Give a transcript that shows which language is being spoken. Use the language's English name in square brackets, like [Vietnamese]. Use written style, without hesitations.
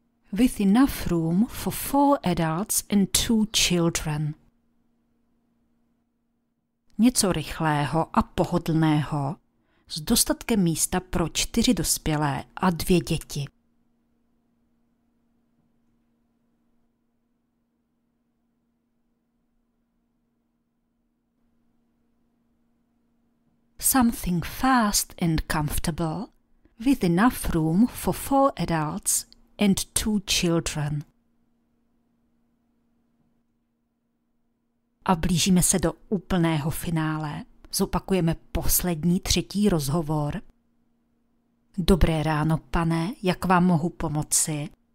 [English] With enough room for four adults and two children. [Czech] Něco rychlého a pohodlného. S dostatkem místa pro čtyři dospělé a dvě děti. [English] Something fast and comfortable, with enough room for four adults and two children. [Czech] A blížíme se do úplného finále. Zopakujeme poslední, třetí rozhovor. Dobré ráno, pane, jak vám mohu pomoci?